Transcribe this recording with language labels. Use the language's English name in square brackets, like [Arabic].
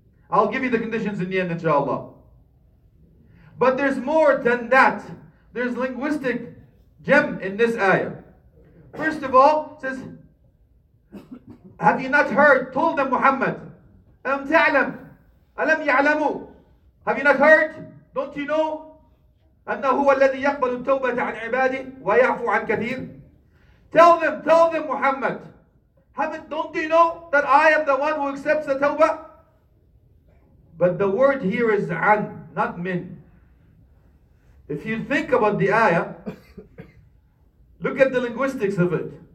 [English] I'll give you the conditions in the end, inshallah. But there's more than that. There's linguistic gem in this ayah. First of all, it says, have you not heard, told them Muhammad, [Arabic] أَلَمْ تَعْلَمْ أَلَمْ يَعْلَمُوا [English] Have you not heard? Don't you know? [Arabic] أنه هو الذي يقبل التوبة عن عباده ويعفو عن كثير. [English] Tell them Muhammad. Don't you know that I am the one who accepts the tawbah? But the word here is an, not min. If you think about the ayah, look at the linguistics of it.